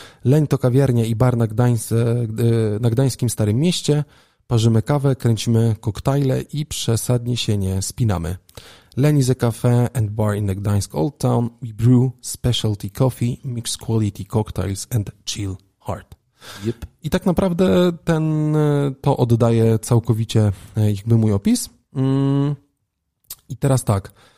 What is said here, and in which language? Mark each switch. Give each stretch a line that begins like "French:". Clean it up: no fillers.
Polish: Leń to kawiarnia i bar na Gdańskim Starym Mieście. Parzymy kawę, kręcimy koktajle i przesadnie się nie spinamy.
English: Leń is a cafe and bar in the Gdańsk Old Town. We brew specialty coffee, mix quality cocktails and chill heart. Yep.
Polish: I tak naprawdę to oddaje całkowicie jakby mój opis. I teraz tak.